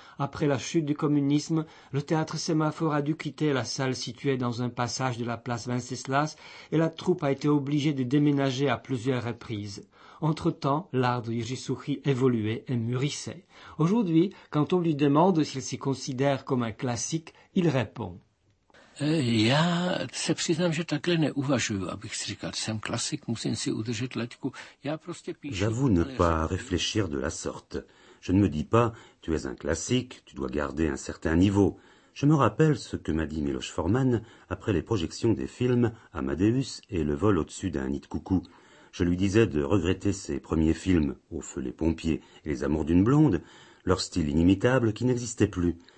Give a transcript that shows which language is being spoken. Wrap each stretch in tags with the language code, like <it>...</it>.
<fr>Après la chute du communisme, le théâtre Sémaphore a dû quitter la salle située dans un passage de la place Venceslas et la troupe a été obligée de déménager à plusieurs reprises. Entre-temps, l'art de Jiří Suchý évoluait et mûrissait. Aujourd'hui, quand on lui demande s'il s'y considère comme un classique, il répond.</fr> <cs>Já se přiznám, že takhle neuvažuji, abych si říkal, jsem klasik, musím si udržet laťku. Já prostě píšu.</cs> <fr>J'avoue ne pas réfléchir de la sorte. Je ne me dis pas, tu es un classique, tu dois garder un certain niveau. Je me rappelle ce que m'a dit Miloš Forman après les projections des films Amadeus et Le vol au-dessus d'un nid de coucou. Je lui disais de regretter ses premiers films, Au feu les pompiers et Les amours d'une blonde, leur style inimitable qui n'existait plus.</fr>